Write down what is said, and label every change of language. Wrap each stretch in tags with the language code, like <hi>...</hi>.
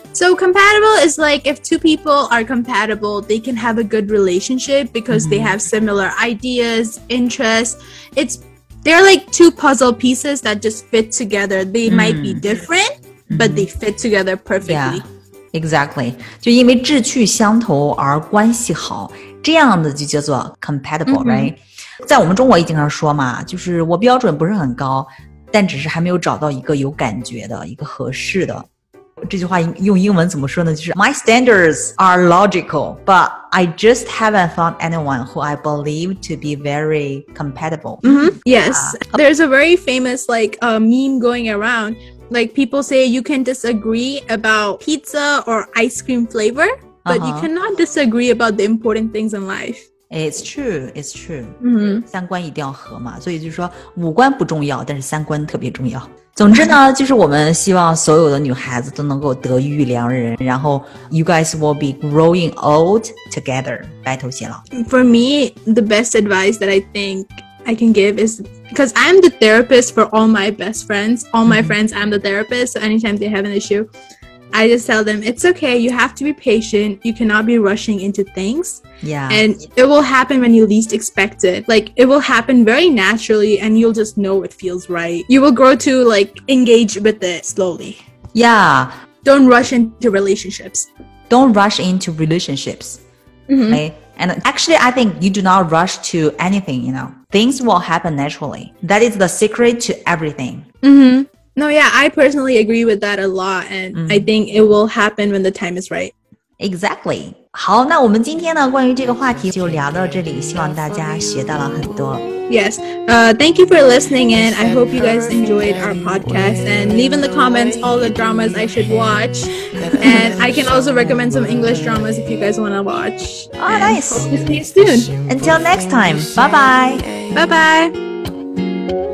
<en>So compatible is like if two people are compatible, they can have a good relationship because they have similar ideas, interests. They're like two puzzle pieces that just fit together. They might be different, but they fit together perfectly. Yeah, exactly.</en> <zh>就因为志趣相投而关系好。这样的就叫做 compatible,、mm-hmm. right? 在我们中国也经常说嘛，就是我标准不是很高，但只是还没有找到一个有感觉的，一个合适的。这句话用英文怎么说呢？就是</zh> <en>My standards are logical, but I just haven't found anyone who I believe to be very compatible.、 Mm-hmm. Yes, there's a very famous like, meme going around. Like people say you can disagree about pizza or ice cream flavor. But you cannot disagree about the important things in life. It's true, it's true.、 Mm-hmm.</en> <zh>三观一定要合嘛，所以就是说五官不重要，但是三观特别重要。总之呢，就是我们希望所有的女孩子都能够得遇良人，然后</zh> <en>you guys will be growing old together,</en> <zh>白头偕老。</zh> <en>For me, the best advice that I think I can give is, because I'm the therapist for all my best friends, all my、mm-hmm. friends, I'm the therapist, so anytime they have an issue,I just tell them, it's okay, you have to be patient, you cannot be rushing into things. Yeah. And it will happen when you least expect it. Like, it will happen very naturally, and you'll just know it feels right. You will grow to, like, engage with it slowly. Yeah. Don't rush into relationships. Don't rush into relationships. Mm-hmm. Okay? And actually, I think you do not rush to anything, you know. Things will happen naturally. That is the secret to everything. Mm-hmm. No, yeah, I personally agree with that a lot, and、mm-hmm. I think it will happen when the time is right. Exactly.</en> <zh>好，那我们今天呢，关于这个话题就聊到这里，希望大家学到了很多。</zh> <en>Yes, thank you for listening, and I hope you guys enjoyed our podcast, and leave in the comments all the dramas I should watch, and I can also recommend some English dramas if you guys want to watch. Oh, and nice. Hope to see you soon. Until next time, bye-bye. Bye-bye.</en>